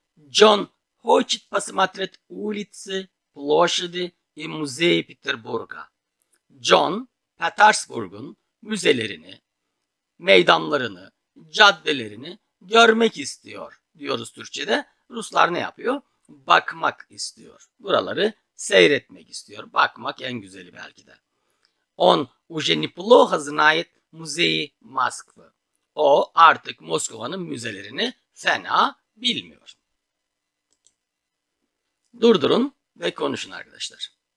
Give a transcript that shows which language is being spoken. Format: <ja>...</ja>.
<ru>John хочет посмотреть улицы, площади и музеи Петербурга.</ru> <tr>John Petersburg'un müzelerini, meydanlarını, caddelerini görmek istiyor diyoruz Türkçe'de. Ruslar ne yapıyor? Bakmak istiyor. Buraları seyretmek istiyor. Bakmak en güzeli belki de.</tr> <ru>Он уже неплохо знает музеи Москвы.</ru> <tr>O artık Moskova'nın müzelerini fena bilmiyor. Durdurun ve konuşun arkadaşlar.</tr>